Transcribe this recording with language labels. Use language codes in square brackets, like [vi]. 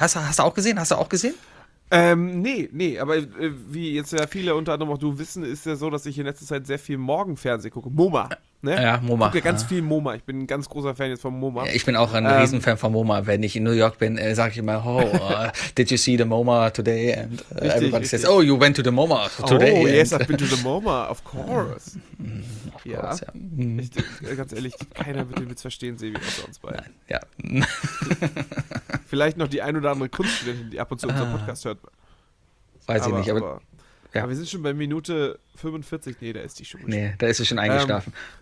[de] Hast du auch gesehen? Nee, aber wie jetzt ja viele unter anderem auch du wissen, ist ja so, dass ich in letzter Zeit sehr viel Morgenfernsehen gucke. MoMA. Ne? Ja, MoMA. Ich gucke ganz viel MoMA. Ich bin ein ganz großer Fan jetzt von MoMA. Ja, ich bin auch ein Riesenfan von MoMA. Wenn ich in New York bin, sage ich immer, oh, [en] did you see the MoMA today? And everybody says, oh, you went to the MoMA today. Oh, yes, I've been to the MoMA, of course. Of course, ja. [de] Ganz ehrlich, keiner wird den Witz verstehen, Sebi, außer uns beiden. Nein, ja. Vielleicht noch die ein oder andere Kunststudentin, die ab und zu unseren Podcast hört. Weiß ich nicht. Aber wir sind schon bei Minute 45. Nee, da ist die schon. Nee, da ist sie schon eingeschlafen.